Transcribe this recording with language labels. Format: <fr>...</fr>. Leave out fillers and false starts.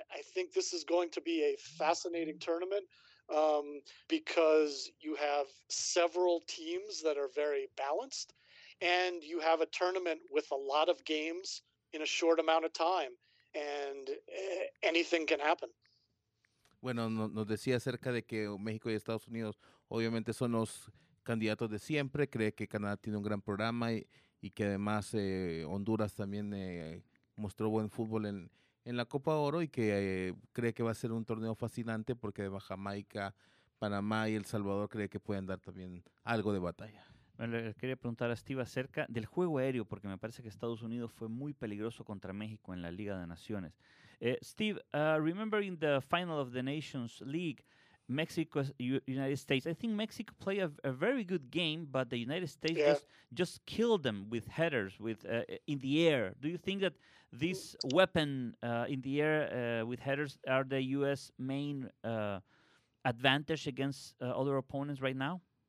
<en>I think this is going to be a fascinating tournament because you have several teams that are very balanced, and you have a tournament with a lot of games in a short amount of time, and anything can happen.</en> <es>Bueno, nos decía acerca de que México y Estados Unidos obviamente son los candidatos de siempre. Cree que Canadá tiene un gran programa y que además Honduras también mostró buen fútbol en la Copa Oro y que cree que va a ser un torneo fascinante porque además Jamaica, Panamá y El Salvador cree que pueden dar también algo de batalla. Bueno, le quería preguntar a Steve acerca del juego aéreo porque me parece que Estados Unidos fue muy peligroso contra México en la Liga de Naciones.</es> <en>Steve, remembering the final of the Nations League, Mexico, United States. I think Mexico played a very good game, but the United States just killed them with headers, with in the air. Do you think that this weapon in the air with headers are the U.S. main advantage against other opponents right now?</en>